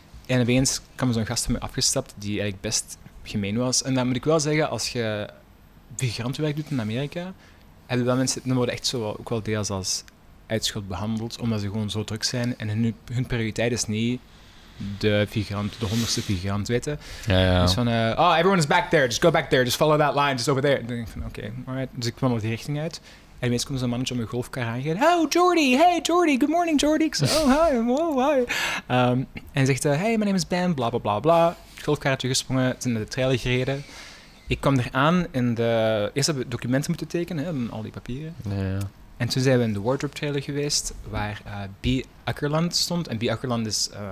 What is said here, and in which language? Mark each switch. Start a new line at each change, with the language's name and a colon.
Dutch: En opeens kwam zo'n gast van me afgestapt die eigenlijk best gemeen was. En dan moet ik wel zeggen, als je migrantenwerk doet in Amerika, hebben wel mensen, dan worden echt zo ook wel deels als uitschot behandeld, omdat ze gewoon zo druk zijn. En hun prioriteit is niet de figurant, de 100ste figurant weten. Ja, ja. Dus van,
English: oh, everyone is back there, just go back there, just follow that line, just over there.
Dutch: Dan denk ik van, oké,
English: okay, alright.
Dutch: Dus ik kwam op die richting uit. En ineens komt zo'n mannetje op mijn golfkar aangereden.
English: Oh, Jordy, hey, Jordy, good morning, Jordy.
Dutch: Ik zei,
English: oh, hi, wow, hi.
Dutch: En zegt,
English: hey, my name is Ben, bla, bla,
Dutch: bla, bla. Golfkarretje gesprongen, zijn naar de trailer gereden. Ik kwam eraan en de... Eerst hebben we documenten moeten tekenen, hè, al die papieren. Ja, ja. En toen zijn we in de wardrobe trailer geweest, waar B. Ackerland stond. En B. Ackerland is...